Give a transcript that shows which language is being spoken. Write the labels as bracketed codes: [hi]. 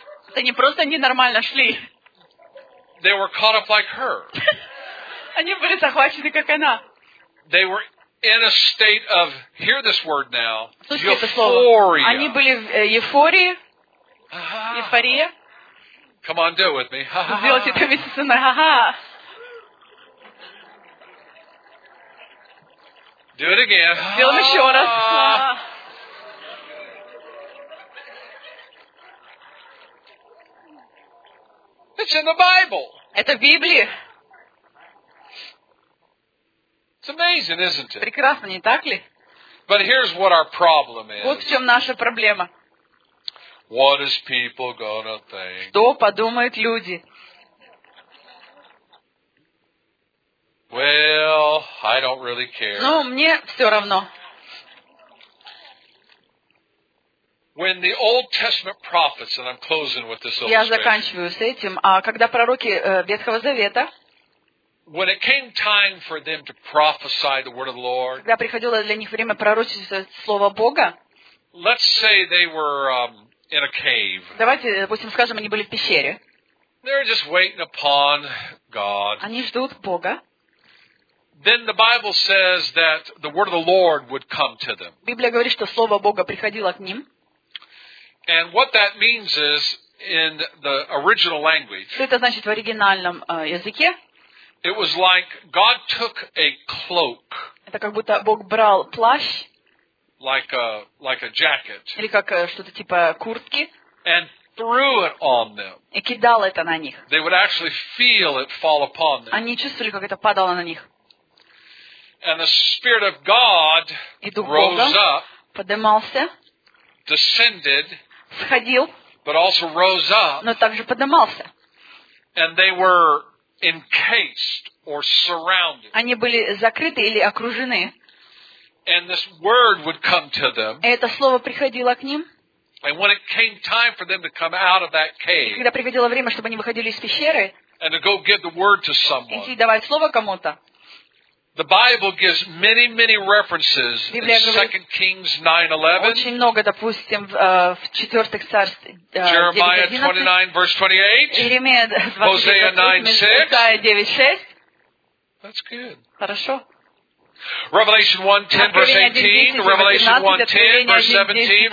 [ru] Это не просто ненормально шли. [en] They were caught up like her. [ru] Они были захвачены как она. [en] They were in a state of, hear this word now, [ru] euphoria. Они были в эйфории. Эйфория. [en] Come on, do it with me. [ru] Сделайте это вместе со мной. Ха-ха. [en] Do it again. [ru] Сделаем еще раз. [en] It's It's in the Bible. [ru] Это в Библии. [en] It's amazing, isn't it? [ru] Прекрасно, не так ли? [en] But here's what our problem is. [ru] Вот в чем наша проблема. [en] What is people gonna think? [ru] Что подумают люди? [en] Well, I don't really care. [ru] Ну, мне все равно. [en] When the Old Testament prophets, and I'm closing with this illustration. [ru] Я заканчиваю с этим. А когда пророки Ветхого Завета? [en] When it came time for them to prophesy the word of the Lord. [ru] Когда приходило для них время пророчествовать слово Бога? [en] Let's say they were in a cave. [ru] Давайте, допустим, скажем, они были в пещере. [en] They're just waiting upon God. [ru] Они ждут Бога. [en] Then the Bible says that the word of the Lord would come to them. [ru] Библия говорит, что слово Бога приходило к ним. [en] And what that means is in the original language. [ru] Что это значит в оригинальном языке? [en] It was like God took a cloak. [ru] Это как будто Бог брал плащ. [en] Like a jacket. [ru] Или как что-то типа куртки. [en] And threw it on them. [ru] И кидал это на них. [en] They would actually feel it fall upon them. [ru] Они чувствовали, как это падало на них. [en] And the Spirit of God rose up, [ru] поднимался, [en] descended, [ru] сходил, [en] but also rose up, [ru] но также поднимался. [en] And they were encased or surrounded. [ru] Они были закрыты или окружены. [en] And this word would come to them. [ru] И это слово приходило к ним. [en] And when it came time for them to come out of that cave, [ru] и когда приходило время, чтобы они выходили из пещеры, [en] and to go give the word to someone, [ru] идти давать слово кому-то. [en] The Bible gives many, many references in 2 Kings 9:11. [ru] Очень много, допустим, в четвертых царствах. [en] Jeremiah 29 verse 28. Hosea 9:6. That's good. [ru] Хорошо. [en] Revelation 1:10 verse 18. Revelation 1:10 verse 17.